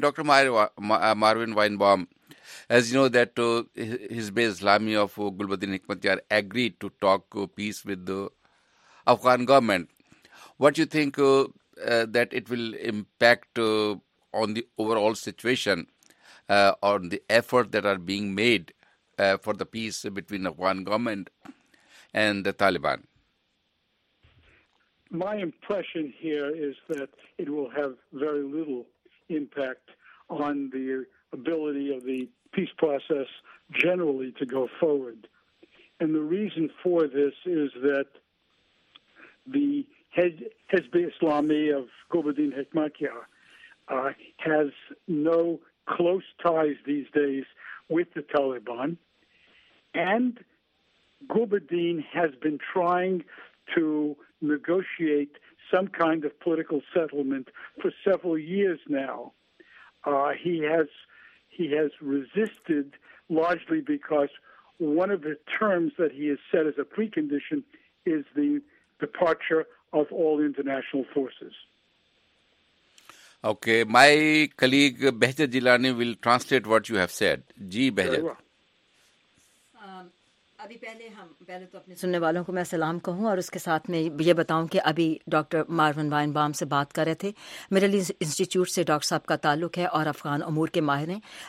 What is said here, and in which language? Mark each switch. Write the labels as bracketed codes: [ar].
[en] Doctor Marvin Weinbaum, as you know that Hizbe Islami of Gulbuddin Hekmatyar agree to talk peace with Afghan government, what you think that it will impact on the overall situation on the effort that are being made for the peace between the Afghan government and the Taliban? My impression here is that it will have very little impact on the ability of the peace process generally to go forward. And the reason for this is that the Hezbollah Islami of Gulbuddin Hekmatyar has no close ties these days with the Taliban. And Gulbuddin has been trying to negotiate some kind of political settlement for several years now. He has resisted largely because one of the terms that he has set as a precondition is the departure of all international forces. Okay, my colleague Behzad Jilani will translate what you have said. [hi] Ji Behzad. अभी पहले तो अपने सुनने वालों को मैं सलाम कहूं और उसके साथ में ये बताऊं कि अभी डॉक्टर मारून वाइनबॉम से बात कर रहे थे, मिडल ईस्ट इंस्टीट्यूट से डॉक्टर साहब का ताल्लुक है और अफगान उमूर के माहिर हैं।